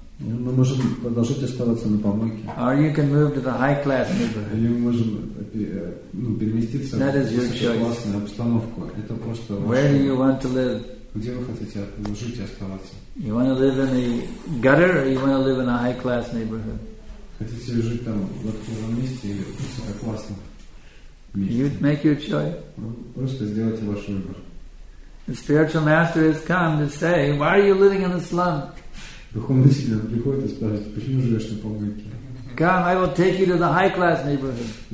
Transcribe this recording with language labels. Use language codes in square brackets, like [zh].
[ru] Мы можем продолжать оставаться на помойке. [en] Or you can move to the high class neighborhood. [ru] Или мы можем переместиться в высококлассную обстановку. Это просто. [en] Where do you want to live? [ru] Где вы хотите жить и оставаться? [en] You want to live in the gutter, or you want to live in a high class neighborhood? [ru] Хотите жить там в лакшери месте или в высококлассном месте? [en] You make your choice. [ru] Просто сделайте ваш выбор. [en] The spiritual master has come to say, why are you living in a slum? Come, I will take you to the high class neighborhood.